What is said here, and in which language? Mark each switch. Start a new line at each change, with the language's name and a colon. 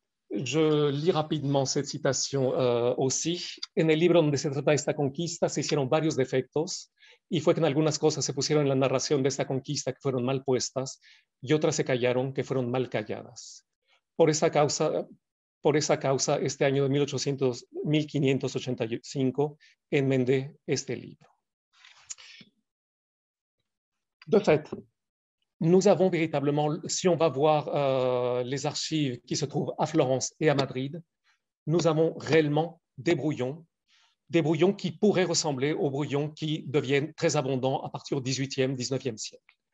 French: Je lis rapidement cette citation aussi.
Spanish: En el libro donde se trata esta conquista se hicieron varios defectos. Y fue que en algunas cosas se pusieron en la narración de esta conquista que fueron mal puestas y otras se callaron que fueron mal calladas. Por esa causa, este año de 1585 enmendé este libro.
French: De fait, nous avons véritablement, si on va voir les archives qui se trouvent à Florence et à Madrid, nous avons réellement des brouillons qui pourraient ressembler aux brouillons qui deviennent très abondants à partir du XVIIIe, XIXe siècle.